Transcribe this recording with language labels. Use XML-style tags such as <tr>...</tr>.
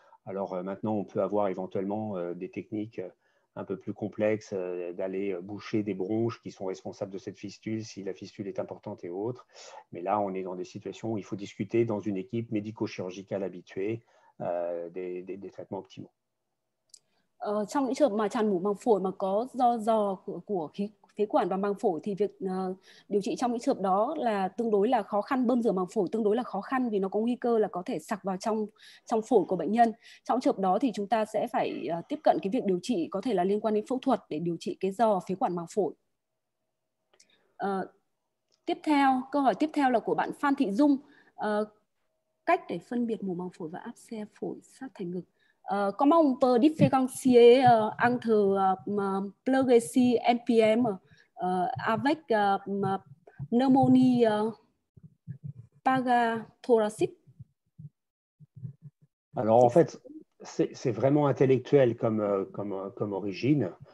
<fr>Alors maintenant, on peut avoir éventuellement des techniques un peu plus complexe d'aller boucher des bronches qui sont responsables de cette fistule, si la fistule est importante et autres. Mais là, on est dans des situations où il faut discuter dans une équipe médico-chirurgicale habituée des traitements optimaux.</fr> <vi>Trong những trường hợp mà tràn mủ màng phổi mà có do của khí phế quản và màng phổi, thì việc điều trị trong những trường hợp đó là tương đối là khó khăn, bơm rửa màng phổi tương đối là khó khăn vì nó có nguy cơ là có thể sặc vào trong phổi của bệnh nhân. Trong trường hợp đó thì chúng ta sẽ phải tiếp cận cái việc điều trị có thể là liên quan đến phẫu thuật để điều trị cái do phế quản màng phổi. Tiếp theo, câu hỏi tiếp theo là của bạn Phan Thị Dung. Cách để phân biệt mủ màng phổi và áp xe phổi sát thành ngực.</vi> <fr>Comment on peut différencier entre pleurésie MPM avec pneumonie parathoracique? Alors en fait, c'est vraiment intellectuel comme origine.</fr>